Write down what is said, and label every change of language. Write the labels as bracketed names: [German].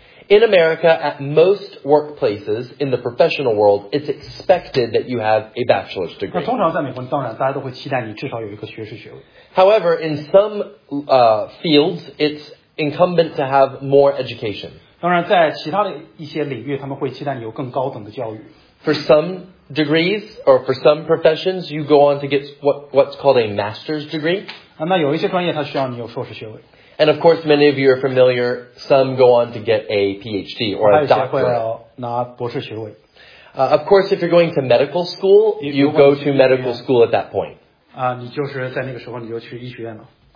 [English] In America, at most workplaces in the professional world, it's expected that you have a bachelor's degree. However, in some fields, it's incumbent to have more education. [Chinese] 当然在其他的一些领域, 他们会期待你有更高等的教育。 [English] For some degrees or for some professions, you go on to get what's called a master's degree. [Chinese] 那有一些专业它需要你有硕士学位。 [English] And of course, many of you are familiar, some go on to get a PhD or a doctorate. Of course, if you're going to medical school, you go to medical school at that point. [Chinese] 你就是在那个时候你就去医学院了。